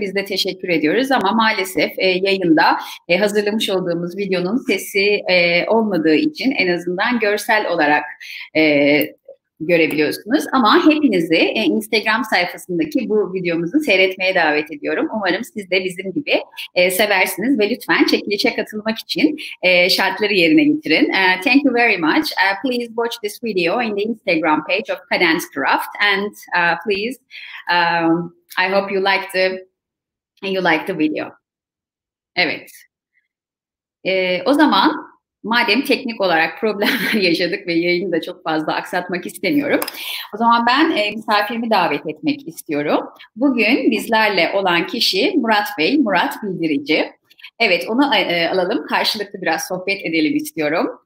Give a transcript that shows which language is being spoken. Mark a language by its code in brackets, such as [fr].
[tr] Biz de teşekkür ediyoruz ama maalesef yayında hazırlamış olduğumuz videonun sesi olmadığı için en azından görsel olarak görebiliyorsunuz. Ama hepinizi Instagram sayfasındaki bu videomuzu seyretmeye davet ediyorum. Umarım siz de bizim gibi seversiniz ve lütfen çekilişe katılmak için şartları yerine getirin. [en] Thank you very much. Please watch this video in the Instagram page of Cadence Craft and please I hope you like the video. [tr] Evet. O zaman madem teknik olarak problemler yaşadık ve yayını da çok fazla aksatmak istemiyorum, o zaman ben misafirimi davet etmek istiyorum. Bugün bizlerle olan kişi Murat Bey, Murat Bildirici. Evet, onu alalım, karşılıklı biraz sohbet edelim istiyorum.